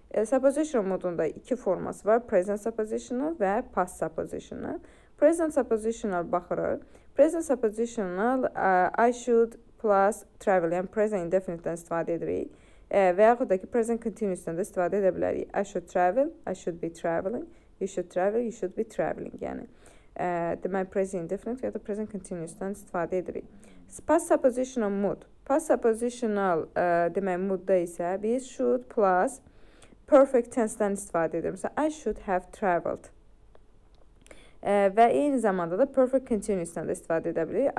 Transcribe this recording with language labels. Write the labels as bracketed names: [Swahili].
[Azerbaijani] Supposition modunda iki forması var, present suppositional və past suppositional. Present suppositional baxırıq. Present suppositional, [English] I should plus travel, [Azerbaijani] yəni present indefinite-dən istifadə edirik. Və yaxud da ki, present continuous-dən də istifadə edə bilərik. [English] I should travel, I should be traveling, you should travel, you should be traveling, yəni. [Azerbaijani] Demək, present indefinite və ya da present continuous-dən istifadə edirik. Past suppositional mood. Past suppositional demək, moodda isə biz should plus perfect tense-dən istifadə edirəm. [English] So, I should have traveled. [Azerbaijani] Və eyni zamanda da perfect continuous-dən də istifadə edə bilirik.